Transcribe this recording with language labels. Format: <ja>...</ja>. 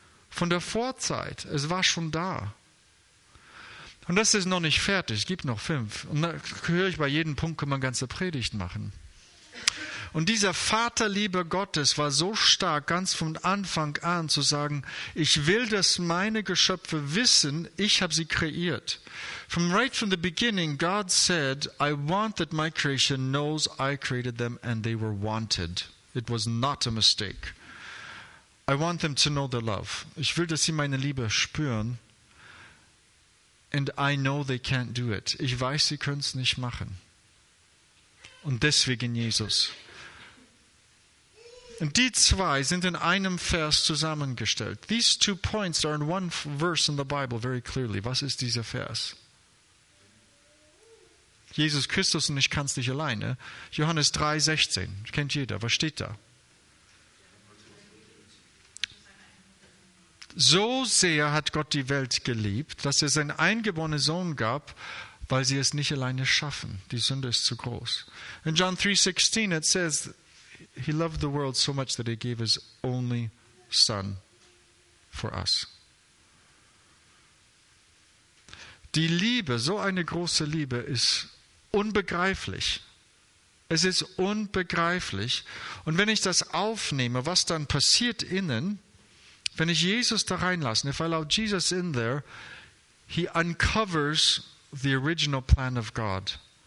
<de>Von der Vorzeit. Es war schon da. Und das ist noch nicht fertig. Es gibt noch 5. Und da höre ich, bei jedem Punkt kann man ganze Predigt machen. Und dieser Vaterliebe Gottes war so stark, ganz von Anfang an zu sagen, ich will, dass meine Geschöpfe wissen, ich habe sie kreiert.</de> <en>From right from the beginning, God said, I want that my creation knows I created them and they were wanted. It was not a mistake. I want them to know the love.</en> <de>Ich will, dass sie meine Liebe spüren.</de> <en>And I know they can't do it.</en> <de>Ich weiß, sie können es nicht machen. Und deswegen Jesus. Und die zwei sind in einem Vers zusammengestellt.</de> <en>These two points are in one verse in the Bible very clearly.</en> <de>Was ist dieser Vers? Jesus Christus und ich kann es nicht alleine. Johannes 3, 16. Kennt jeder. Was steht da? So sehr hat Gott die Welt geliebt, dass er seinen eingeborenen Sohn gab, weil sie es nicht alleine schaffen. Die Sünde ist zu groß.</de> <en>In John 3, 16, it says, he loved the world so much that he gave his only son for us.</en> <de>Die Liebe, so eine große Liebe, ist unbegreiflich. Es ist unbegreiflich. Und wenn ich das aufnehme, was dann passiert innen, wenn ich Jesus da reinlasse,</de> <en>if I allow Jesus in there, he uncovers the original plan of God.</en>